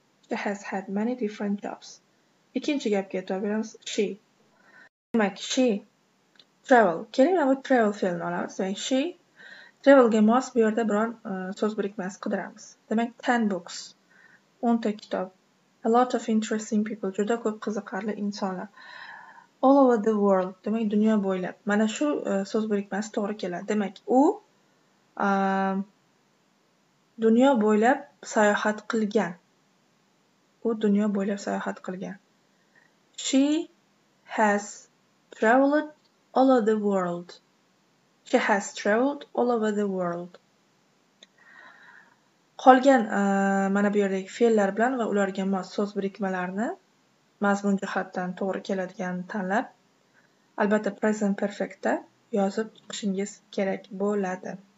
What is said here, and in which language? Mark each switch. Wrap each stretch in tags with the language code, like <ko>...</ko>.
<en>She has had many different jobs.</en> <uz>Ikkinchi gapga o'tamiz. She. Demak, she travel. Keling, mana bu travel fe'lini olamiz. Demak, she travelga mos bu yerda biror so'z birikmasi qidiramiz. Demak,</uz> <en>10 books.</en> <uz>10 ta kitob.</uz> <en>A lot of interesting people.</en> <uz>Juda ko'p qiziqarli insonlar.</uz> <en>All over the world.</en> <uz>Demak, dunyo bo'ylab. Mana shu so'z birikmasi to'g'ri keladi. Demak, u dunyo bo'ylab sayohat qilgan. U dunyo bo'ylab sayohat qilgan.</uz> <en>She has traveled all over the world. She has traveled all over the world.</en> <uz>Qolgan mana bu yerdagi fe'llar bilan va ularga mos so'z birikmalarini mazmun jihatdan to'g'ri keladigan tanlab, albatta present perfectda yozib chiqishingiz kerak bo'ladi.</uz>